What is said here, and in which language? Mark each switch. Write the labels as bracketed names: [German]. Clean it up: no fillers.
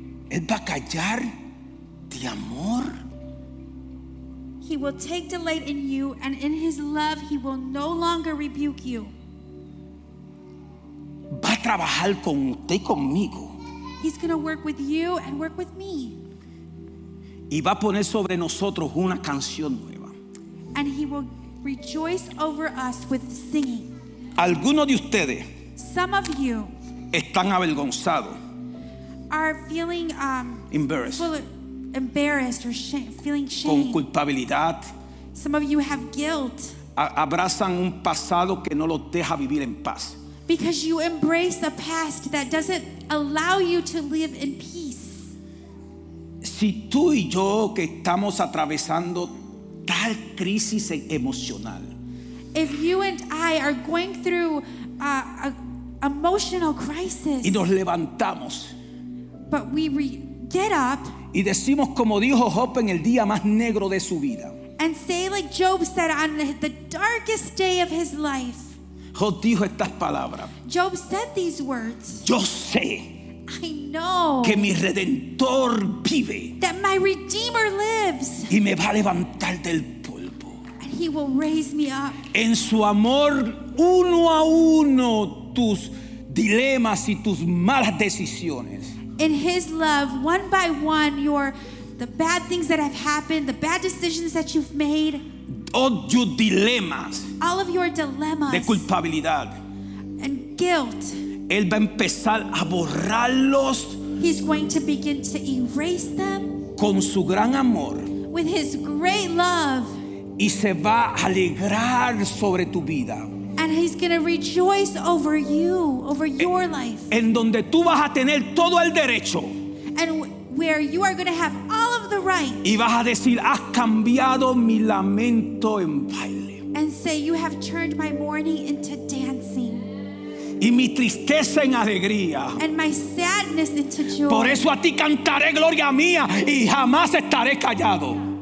[Spanish] Él va a callar de amor. [English] He will take delight in you, and in his love he will no longer rebuke you. [Spanish] Va a trabajar con usted y conmigo. [English] He's going to work with you and work with me. [Spanish] Y va a poner sobre nosotros una canción nueva. [English] And he will rejoice over us with singing. [Spanish] Algunos de ustedes, [English] some of you, [Spanish] están avergonzados, [English] are feeling embarrassed or feeling shame. [Spanish] Con culpabilidad. [English] Some of you have guilt. [Spanish] Abrazan un pasado que no los deja vivir en paz. [English] Because you embrace a past that doesn't allow you to live in peace. [Spanish] Si tú y yo que estamos atravesando tal crisis emocional, [English] if you and I are going through a emotional crisis, [Spanish] y nos levantamos, [English] but we get up, [Spanish] y decimos como dijo Job en el día más negro de su vida, [English] and say like Job said on the darkest day of his life, [Spanish] Job dijo estas palabras, [English] Job said these words, [Spanish] yo sé, [English] I know, [Spanish] que mi Redentor vive, [English] that my Redeemer lives, [Spanish] y me va a levantar del polvo, [English] and he will raise me up. [Spanish] En su amor, uno a uno tus dilemas y tus malas decisiones. [English] In his love, one by one, the bad things that have happened, the bad decisions that you've made, all your dilemas, all of your dilemmas, [Spanish] de culpabilidad, [English] and guilt. [Spanish] Él va a empezar a borrarlos. [English] He's going to begin to erase them. [Spanish] Con su gran amor. [English] With his great love. [Spanish] Y se va a alegrar sobre tu vida. [English] And he's going to rejoice over you, over your life. [Spanish] En donde tú vas a tener todo el derecho. [English] And where you are going to have all of the right. [Spanish] Y vas a decir, has cambiado mi lamento en baile. [English] And say, you have turned my mourning into dancing. [Spanish] Y mi tristeza en alegría. [English] And my sadness into joy. [Spanish] Por eso a ti cantaré gloria mía y jamás estaré callado.